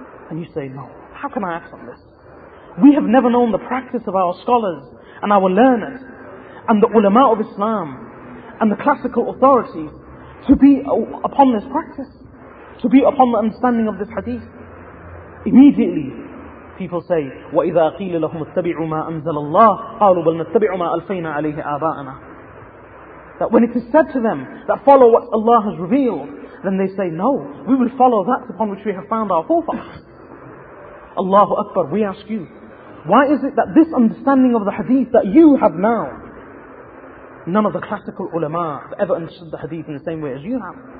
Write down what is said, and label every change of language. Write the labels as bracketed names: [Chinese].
[English] And you say, no, how can I act on this? We have never known the practice of our scholars and our learners and the ulama of Islam and the classical authorities to be upon this practice, to be upon the understanding of this hadith. Immediately, people say, [Arabic] وَإِذَا قِيلَ لَهُمُ اتَّبِعُوا مَا أَنزَلَ اللَّهُ قَالُوا بَلْ نَتَّبِعُوا مَا أَلْفَيْنَا عَلَيْهِ آبَاءَنَا. [English] That when it is said to them that follow what Allah has revealed, then they say, no, we will follow that upon which we have found our forefathers. Allahu Akbar, we ask you, why is it that this understanding of the hadith that you have now, none of the classical ulama have ever understood the hadith in the same way as you have?